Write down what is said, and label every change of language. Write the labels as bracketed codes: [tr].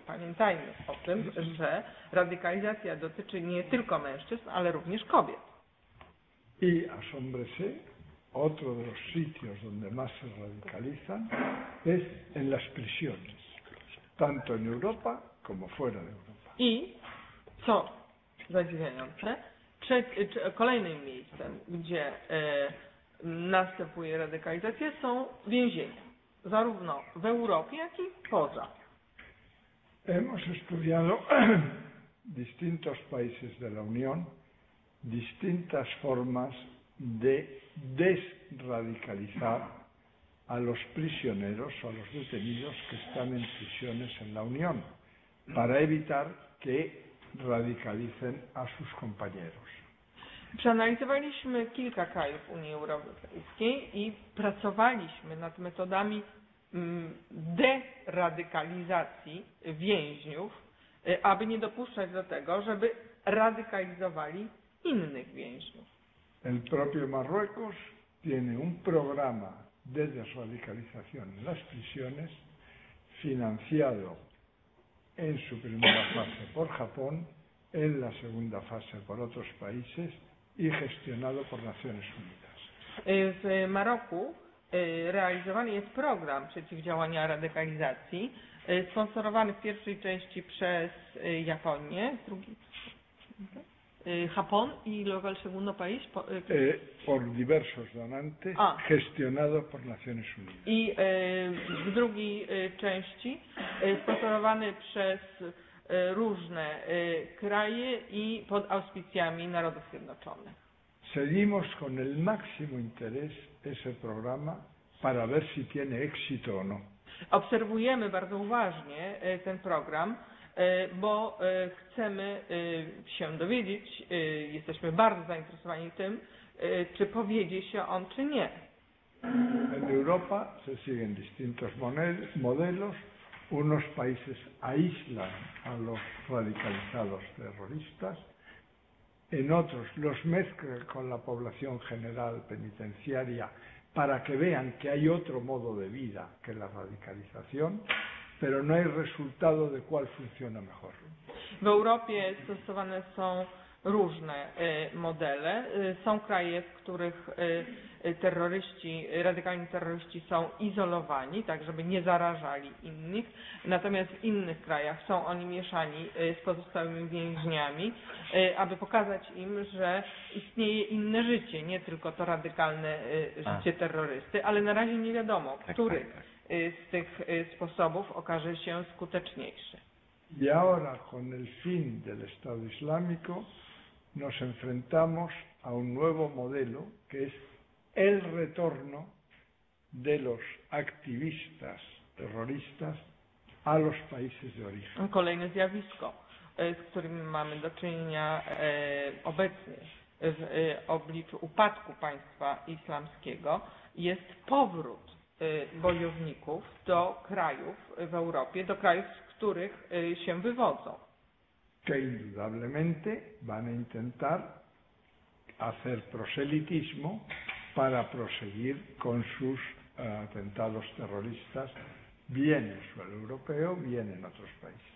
[pl] Pamiętajmy o tym, że radykalizacja dotyczy nie tylko mężczyzn, ale również kobiet. [es] I asombrese, otro de los sitios donde más se radicalizan es en las prisiones, tanto en Europa como fuera de Europa. [pl] I co zadziwiające, kolejnym miejscem, gdzie następuje radykalizacja, są więzienia, zarówno w Europie, jak i poza. [es] Hemos estudiado distintos países de la Unión, distintas formas de desradicalizar a los prisioneros o a los detenidos que están en prisiones en la Unión, para evitar que radicalicen a sus compañeros. [pl] Przeanalizowaliśmy kilka krajów Unii Europejskiej i pracowaliśmy nad metodami deradykalizacji więźniów, aby nie dopuszczać do tego, żeby radykalizowali innych więźniów. [es] El propio Marruecos tiene un programa de desradicalización en las prisiones financiado en su primera fase por Japón, en la segunda fase por otros países y gestionado por Naciones Unidas. [pl] W Maroku realizowany jest program przeciwdziałania radykalizacji, sponsorowany w pierwszej części przez Japonię, drugi [es] Japón y luego el segundo país por diversos donantes gestionado por Naciones Unidas. [pl] Y w drugiej części sponsorowany przez różne kraje i pod auspicjami Narodów Zjednoczonych. [es] Seguimos con el máximo interés ese programa para ver si tiene éxito o no. [pl] Obserwujemy bardzo uważnie ten program, bo chcemy się dowiedzieć, jesteśmy bardzo zainteresowani tym, czy powiedzie się on, czy nie. [es] En Europa se siguen distintos modelos. Unos países aíslan a los radicalizados terroristas, en otros los mezclan con la población general penitenciaria para que vean que hay otro modo de vida que la radicalización, pero no hay resultado de cuál funciona mejor. [pl] W Europie stosowane są różne modele. Są kraje, w których terroryści, radykalni terroryści są izolowani, tak żeby nie zarażali innych. Natomiast w innych krajach są oni mieszani z pozostałymi więźniami, aby pokazać im, że istnieje inne życie, nie tylko to radykalne życie terrorysty, ale na razie nie wiadomo, który z tych sposobów okaże się skuteczniejszy. [es] Y ahora con el fin del Estado Islámico nos enfrentamos a un nuevo modelo que es el retorno de los activistas terroristas a los países de origen. [pl] Kolejne zjawisko, z którym mamy do czynienia obecnie w obliczu upadku państwa islamskiego, jest powrót bojowników do krajów w Europie, do krajów, z których się wywodzą. [es] Que indudablemente van a intentar hacer proselitismo para proseguir con sus atentados terroristas bien en suelo europeo, bien en otros países.